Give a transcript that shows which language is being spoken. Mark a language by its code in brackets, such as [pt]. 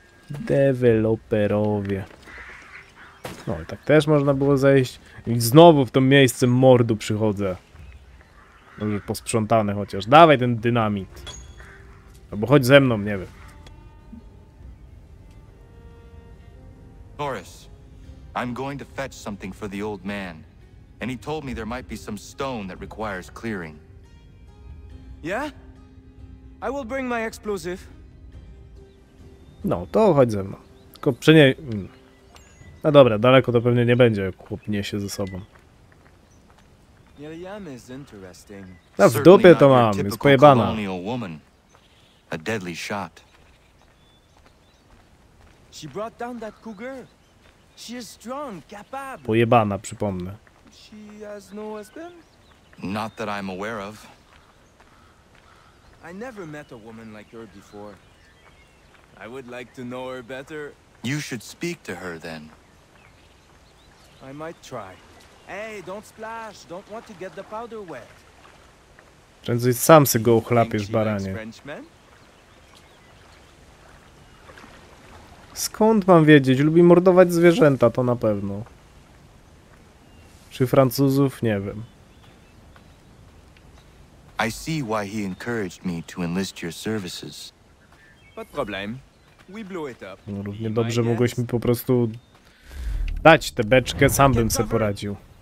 [pl] Deweloperowie. No i tak też można było zejść. I znowu w to miejsce mordu przychodzę. Może posprzątane chociaż. Dawaj ten dynamit. Albo chodź ze mną, nie wiem. [en] Horace, I'm going to fetch something for the old man. And he told me there might be some stone that requires clearing. Yeah? I will bring my explosive. [pl] No, to chodź ze mną. Tylko No dobra, daleko to pewnie nie będzie, jak chłop niesie ze sobą. [en] Yeliam is interesting. [pl] No w dupie to mam, jest pojebana. [en] A deadly shot. She brought down that cougar. She is strong, capable. [pl] Pojebana, przypomnę. [en] She has no husband? Not that I'm aware of. I never met a woman like her before. I would like to know her better. You should speak to her then. I might try. Hey, don't splash. Don't want to get the powder wet. [pl] Prędzej sam sobie go uchlapiesz, baranie. Skąd mam wiedzieć? Lubi mordować zwierzęta, to na pewno. Czy Francuzów? Nie wiem. [en] I see why he encouraged me to enlist your services. What problem? We blew it up. [pl] No, równie dobrze mogłeś mi po prostu dać tę beczkę, sam bym sobie poradził.